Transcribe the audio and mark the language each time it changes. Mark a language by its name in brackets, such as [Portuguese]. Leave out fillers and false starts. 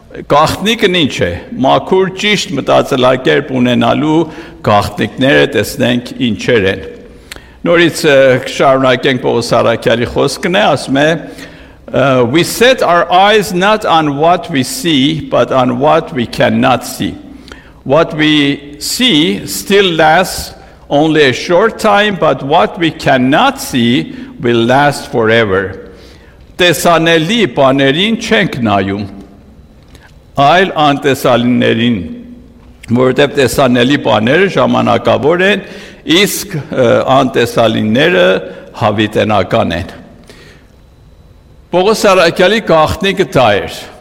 [Armenian] գաղտնիկն ինչ է, մաքուր ճիշտ մտածելակերպ ունենալու գաղտնիկները տեսնենք ինչեր են։ Նորից կշարունակենք Պողոս առաքյալի խոսքն է, ասում է, [English] «We set our eyes not on what we see, but on what we cannot see. What we see still lasts only a short time, but what we cannot see will last forever. [Armenian] Տեսանելի բաներին չենք նայում, այլ անտեսանելիներին, որտեղ տեսանելի բաները ժամանակավոր են, իսկ անտեսանելիները հավիտենական են»։ Պողոս առաքյալի գաղտնիկը դա էր։